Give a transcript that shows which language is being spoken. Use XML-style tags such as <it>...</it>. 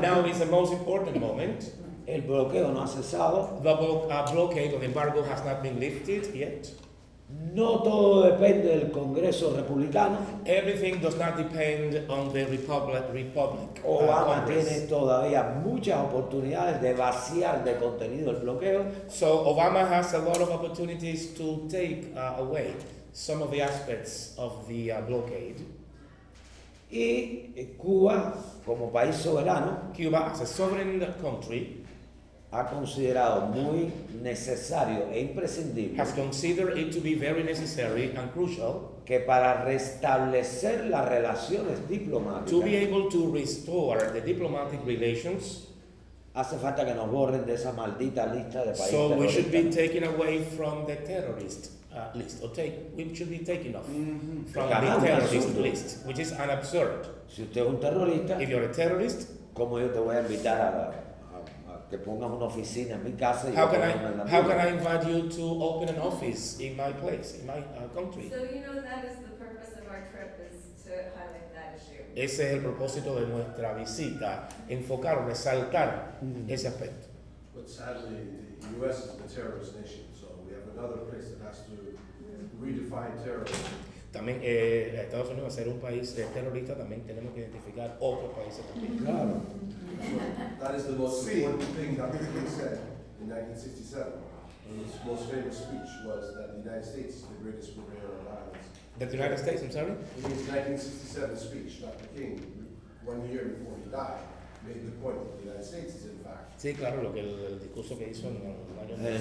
<en>Now is the most important moment.</en> <es>El bloqueo no ha cesado.</es> <en>The blockade or embargo has not been lifted yet.</en> <es>No todo depende del Congreso Republicano.</es> <en>Everything does not depend on the Republic.</en> <es>Obama tiene todavía muchas oportunidades de vaciar de contenido el bloqueo.</es> <en>So Obama has a lot of opportunities to take away some of the aspects of the blockade.</en> <es>Y Cuba, como país soberano,</es> <en>Cuba as a sovereign country,</en> <es>ha considerado muy necesario e imprescindible,</es> <en>has considered it to be very necessary and crucial,</en> <es>que para restablecer las relaciones diplomáticas,</es> <en>to be able to restore the diplomatic relations,</en> <es>hace falta que nos borren de esa maldita lista de países</es> <en>terroristas. So we should be taken away from the terrorist list, or take, we should be taken off from the terrorist list, which is an absurd.</en> <es>Si usted es un terrorista,</es> <en>if you're a terrorist,</en> <es>¿cómo yo te voy a invitar a que pongas una oficina en mi casa?</es> <en>How can I invite you to open an office in my place, in my country? So you know that is the purpose of our trip, is to highlight that issue.</en> <es>Ese es el propósito de nuestra visita, enfocar, resaltar ese aspecto.</es> <en>But sadly, the U.S. is the terrorist nation, so we have another place that has to redefine terrorism.</en> <es>También Estados Unidos va a ser un país terrorista, también tenemos que identificar otros países también. Claro.</es> <en>That is the most important thing that he said in 1967. His most famous speech was that the United States is the greatest purveyor of violence. That the United States, I'm sorry? In his 1967 speech, Dr. King, 1 year before he died, made the point that the United States is in fact.</en> <es>Sí, claro, lo que el discurso que hizo en el año.</es>